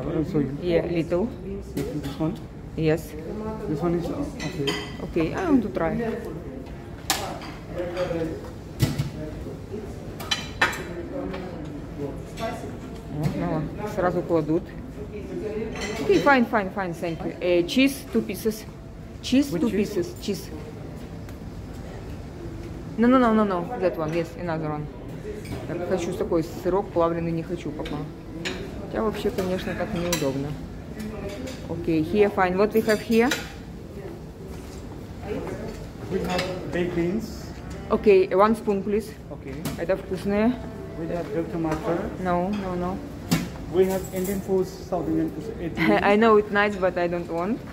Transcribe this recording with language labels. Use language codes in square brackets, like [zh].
[en] Sorry. Yeah, little. This one? Yes. This one is okay. Okay, I want to try. [ru] No, сразу кладут. [en] Okay, fine, fine, fine, thank you. Cheese, two pieces. Cheese, two pieces, cheese. No, no, no, no, no, that one, yes, another one. [ru] Так, хочу такой сырок, плавленый не хочу пока. Хотя вообще, конечно, так неудобно. [en] Окей, okay, here fine. What we have here? We have baked beans. Окей, okay, one spoon, please. Okay. [ru] Это вкусное. [en] We have grilled tomato. No, no, no. We have Indian food, South Indian food. I know it's nice, but I don't want.